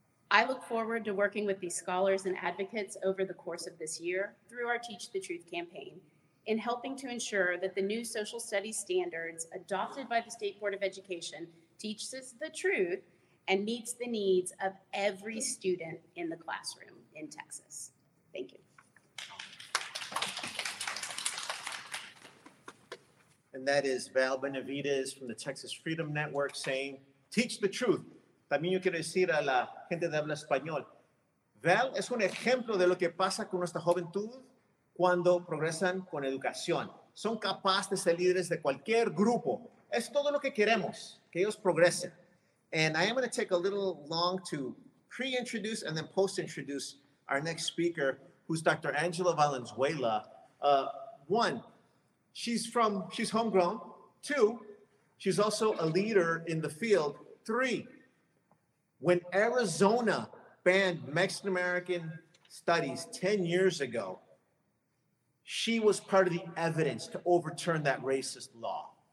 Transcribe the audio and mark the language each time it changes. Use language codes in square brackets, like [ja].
[en] I look forward to working with these scholars and advocates over the course of this year through our Teach the Truth campaign in helping to ensure that the new social studies standards adopted by the State Board of Education teaches the truth and meets the needs of every student in the classroom in Texas. Thank you. And that is Val Benavidez from the Texas Freedom Network saying, teach the truth. [es] También yo quiero decir a la gente de habla español. Val es un ejemplo de lo que pasa con nuestra juventud cuando progresan con educación. Son capaces de ser líderes de cualquier grupo. Es todo lo que queremos, que ellos progresen. [en] And I am going to take a little long to pre-introduce and then post-introduce our next speaker, who's Dr. Angela Valenzuela. One, she's homegrown. Two, she's also a leader in the field. Three, when Arizona banned Mexican-American studies 10 years ago, she was part of the evidence to overturn that racist law.